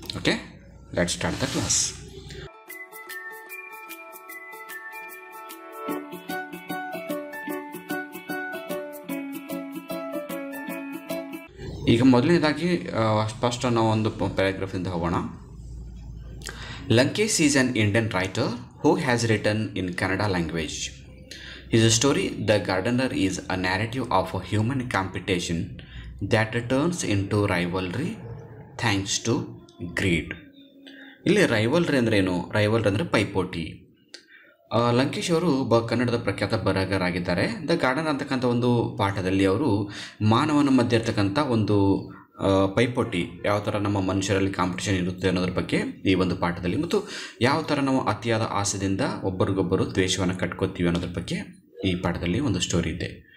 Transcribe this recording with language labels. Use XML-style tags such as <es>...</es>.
<en>Okay, let's start the class.</en> <kn>ಈಗ ಮೊದಲನೇದಾಗಿ first ನಾವು ಒಂದು ಪ್ಯಾರಾಗ್ರಾಫಿಂದ ಹೋಗೋಣ.</kn> <en>Lankesh is an Indian writer who has written in Kannada language. His story, The Gardener, is a narrative of a human competition that turns into rivalry thanks to greed.</en> <kn>ಇಲ್ಲಿ rivalry ಅಂದರೆ ಏನು? Rivalry ಅಂದರೆ ಪೈಪೋಟಿ. ಲಂಕೇಶ್ ಅವರು ಕನ್ನಡದ ಪ್ರಖ್ಯಾತ ಬರಹಗಾರರಾಗಿದ್ದಾರೆ. The gardener ಅಂತಕ್ಕಂಥ ಒಂದು ಪಾಠದಲ್ಲಿ ಅವರು ಮಾನವನ ಮಧ್ಯೆ ಇರ್ತಕ್ಕಂಥ ಒಂದು ಪೈಪೋಟಿ, ಯಾವ ಥರ ನಮ್ಮ ಮನುಷ್ಯರಲ್ಲಿ ಕಾಂಪಿಟೇಷನ್ ಇರುತ್ತೆ ಅನ್ನೋದ್ರ ಬಗ್ಗೆ ಈ ಒಂದು ಪಾಠದಲ್ಲಿ, ಮತ್ತು ಯಾವ ಥರ ನಾವು ಅತಿಯಾದ ಆಸೆಯಿಂದ ಒಬ್ಬರಿಗೊಬ್ಬರು ದ್ವೇಷವನ್ನು ಕಟ್ಕೋತೀವಿ ಅನ್ನೋದ್ರ ಬಗ್ಗೆ ಈ ಪಾಠದಲ್ಲಿ ಒಂದು ಸ್ಟೋರಿ ಇದೆ.</kn>